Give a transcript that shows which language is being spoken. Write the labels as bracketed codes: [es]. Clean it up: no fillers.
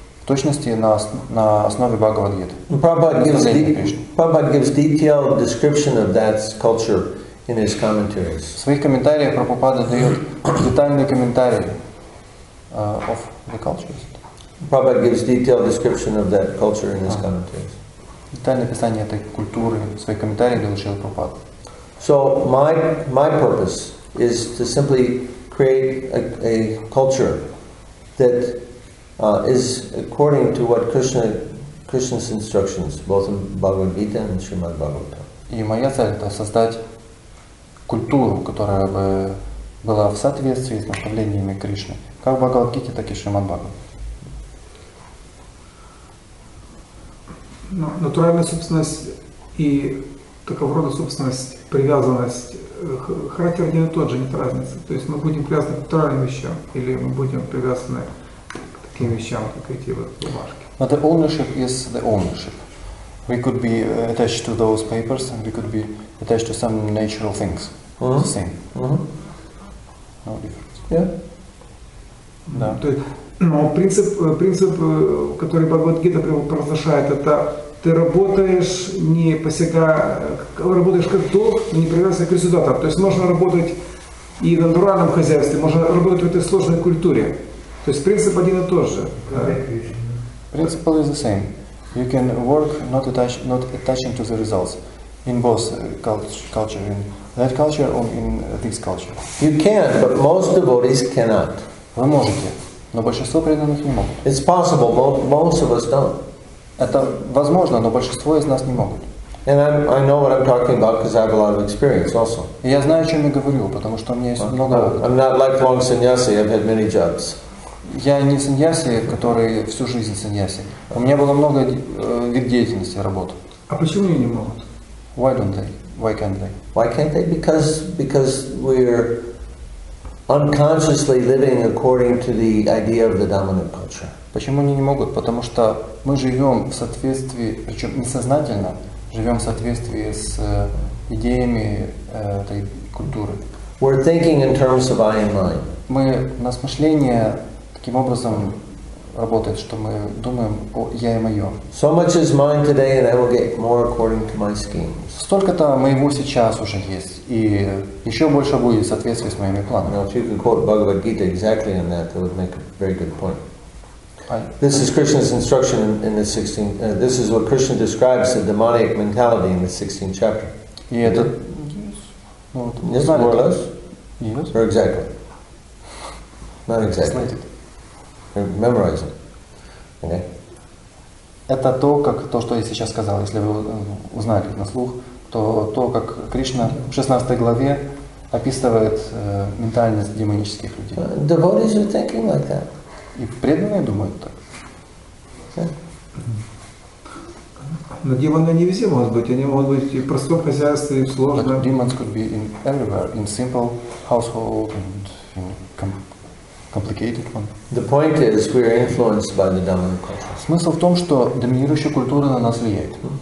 [ru] точности на основе Бхагавад-гиты. [en] Prabhupada gives detailed description of that culture in his commentaries. [ru] В своих комментариях Прабхупада дает детальные комментарии [en] of the culture. Prabhupada gives detailed description of that culture in his commentaries. [ru] Детальное описание этой культуры в своих комментариях дает Шрила Прабхупада. [en] So my purpose is to simply create a culture that is according to what Krishna's instructions, both in Bhagavad Gita and Srimad Bhagavatam. [ru] И моя цель — это создать культуру, которая бы была в соответствии с наставлениями Кришны, как в Бхагавад Гите, так и в Шримад Бхагаватам. Но натуральная собственность и такого рода собственность, привязанность, характер один и тот же, нет разницы. То есть мы будем привязаны к натуральным вещам или мы будем привязаны к таким вещам, как эти вот бумажки. [en] But the ownership is the ownership. We could be attached to those papers and we could be attached to some natural things. Mm-hmm. It's the same. Mm-hmm. No difference. Yeah. [ru] Да. То есть, но принцип, который Бхагавад-гита провозглашает, это ты работаешь, не посягая, работаешь как долг, но не привязываясь к результатам. То есть можно работать и в натуральном хозяйстве, можно работать в этой сложной культуре. То есть принцип один и тот же. [en] Principle is the same. You can work not attaching to the results in both culture, in that culture or in this culture. You can, but most devotees cannot. [ru] Вы можете, но большинство преданных не могут. [en] It's possible, most of us don't. [ru] Это возможно, но большинство из нас не могут. [en] And I know what I'm talking about because I have a lot of experience also. [ru] И я знаю, о чем я говорю, потому что у меня есть много опыта. [en] I'm not lifelong sannyasi, I've had many jobs. [ru] Я не саньяси, который всю жизнь саньяси. У меня было много вид деятельности, работы. А почему они не могут? [en] Why don't they? Why can't they? Why can't they? Because we're unconsciously living according to the idea of the dominant culture. [ru] Почему они не могут? Потому что мы живем в соответствии, причем несознательно, живем в соответствии с идеями этой культуры. [en] We're thinking in terms of I and mine. [ru] Мы на смышление таким образом работает, что мы думаем о «я» и «моё». [en] So much is mine today, and I will get more according to my schemes. [ru] Столько-то моего сейчас уже есть, и еще больше будет в соответствии с моими планами. [en] Now, if you can quote Bhagavad Gita exactly on that, that would make a very good point. This is Krishna's instruction in the 16th, this is what Krishna describes the demonic mentality in the 16th chapter. [ru] И это... [en] Yes, more or less? Yes. Or exactly? Not exactly. Memorize it. Okay. [ru] Это то, что я сейчас сказал, если вы узнали на слух, то как Кришна в 16 главе описывает ментальность демонических людей. [en] Devotees are thinking like that. [ru] И преданные думают так. [en] Okay. [ru] Но демоны не везде могут быть, они могут быть и в простом хозяйстве, и в сложном. [en] But demons could be in everywhere, in simple household and in complicated one. The point is, we are influenced by the dominant culture. [ru] Смысл в том, что доминирующая культура на нас влияет.